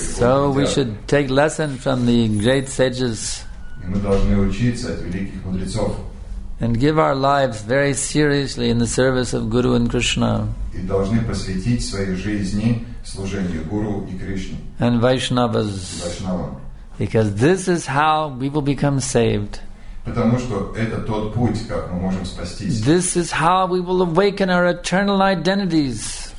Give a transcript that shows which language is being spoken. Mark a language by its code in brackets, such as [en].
[en] So we should take lesson from the great sages. [ru] И мы должны учиться от великих мудрецов. [en] And give our lives very seriously in the service of Guru and Krishna. [ru] И должны посвятить свои жизни служению Гуру и Кришне. [en] And Vaishnavas. [ru] Vaishnavam. [en] Because this is how we will become saved. [ru] Потому что это тот путь, как мы можем спастись. [en] This is how we will awaken our eternal identities.